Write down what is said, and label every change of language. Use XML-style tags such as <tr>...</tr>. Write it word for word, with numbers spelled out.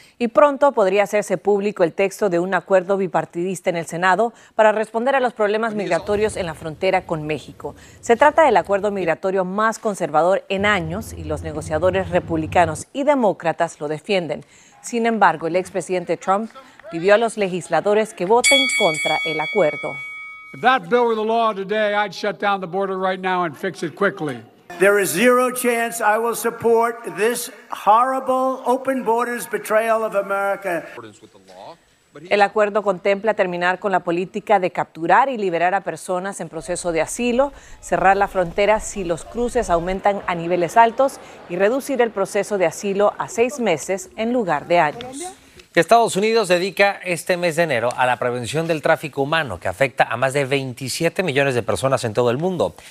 <es>Y pronto podría hacerse público el texto de un acuerdo bipartidista en el Senado para responder a los problemas migratorios en la frontera con México. Se trata del acuerdo migratorio más conservador en años y los negociadores republicanos y demócratas lo defienden. Sin embargo, el expresidente Trump pidió a los legisladores que voten contra el acuerdo.</es> <en>If that bill were the law today, I'd shut down the border right now and fix it quickly. There is zero chance I will support this horrible open borders betrayal of America.</en> <es>El acuerdo contempla terminar con la política de capturar y liberar a personas en proceso de asilo, cerrar la frontera si los cruces aumentan a niveles altos y reducir el proceso de asilo a seis meses en lugar de años. Estados Unidos dedica este mes de enero a la prevención del tráfico humano, que afecta a más de veintisiete millones de personas en todo el mundo.</es>